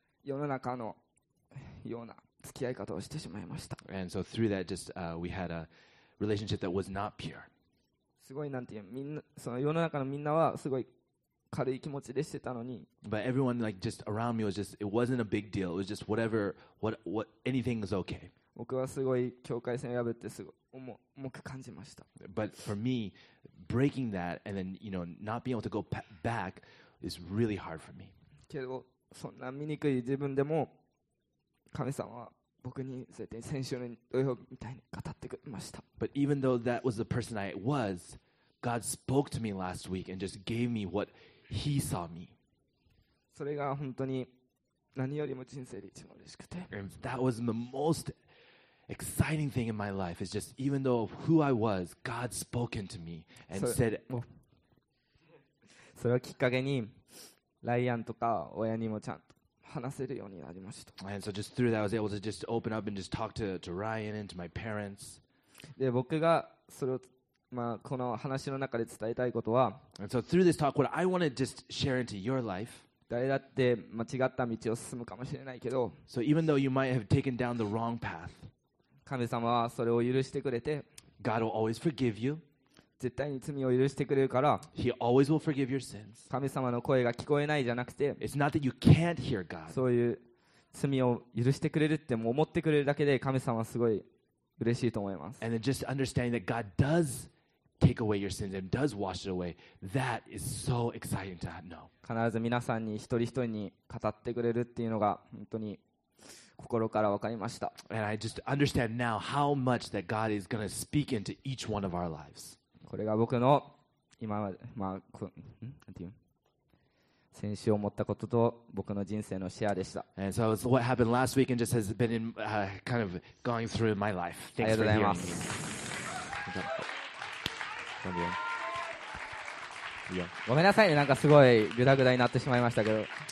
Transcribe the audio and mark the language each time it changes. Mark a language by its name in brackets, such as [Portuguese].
[Japanese] 世の中のような付き合い方をしてしまいました。 [English] And so through that just we had a relationship that was not pure. [Japanese] すごいなんていう、みんな、その世の中のみんなはすごい軽い気持ちでしてたのに。 [English] But everyone like just around me was just it wasn't a big deal. It was just whatever what anything is okay. [Japanese] 僕はすごい境界線を破ってすごい重く感じました。 [English] But for me, breaking that and then you know not being able to go back is really hard for me. [Japanese] けどそんな醜い自分でも神様は僕にそうやって先週の土曜日みたいに語ってくれました。 [English] But even though that was the person I was, God spoke to me last week and just gave me what He saw me. [Japanese] それが本当に何よりも人生で一番嬉しくて。 [English] And that was the most exciting thing in my life. It's just even though of who I was, God spoken to me and said. [Japanese] それをきっかけにライアンとか親にもちゃんと。話せるようになりました。 [English] And so just through that, I was able to just open up and just talk to Ryan and to my parents. [Japanese] で、僕がそれを、まあ、この話の中で伝えたいことは、 [English] And so through this talk, what I want to just share into your life. [Japanese] 誰だって間違った道を進むかもしれないけど、 [English] So even though you might have taken down the wrong path, [Japanese] 神様はそれを許してくれて、 [English] God will always forgive you. [Japanese] 絶対に罪を許してくれるから、 [English] He always will forgive your sins. [Japanese] 神様の声が聞こえないじゃなくて、 [English] It's not that you can't hear God. [Japanese] そういう罪を許してくれるって思ってくれるだけで神様はすごい嬉しいと思います。 [English] And then just understanding that God does take away your sins and does wash it away, that is so exciting to know. [Japanese] 必ず皆さんに一人一人に語ってくれるっていうのが本当に心から分かりました。 [English] And I just understand now how much that God is going to speak into each one of our lives. [Japanese] これが僕の今まで、まあ、こん、なんていう、先週思ったことと僕の人生のシェアでした。 [English] And so it's what happened last week and just has been in, kind of going through my life. Thanks for hearing me. [Japanese] ありがとうございます。ごめんなさいね、なんかすごいグダグダになってしまいましたけど。